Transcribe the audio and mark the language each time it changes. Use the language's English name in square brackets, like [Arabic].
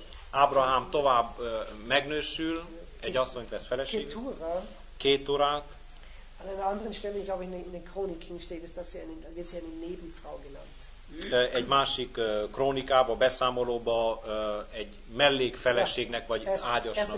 [Hungarian] Ábrahám tovább megnősül, egy asszonyt vesz feleségül. Keturát. [German] An einer anderen Stelle, ich glaube, in den Chroniken steht es, dass sie eine, wird sie eine Nebenfrau genannt. [Hungarian] Egy másik krónikába, beszámolóba egy mellékfeleségnek, vagy ágyasnak.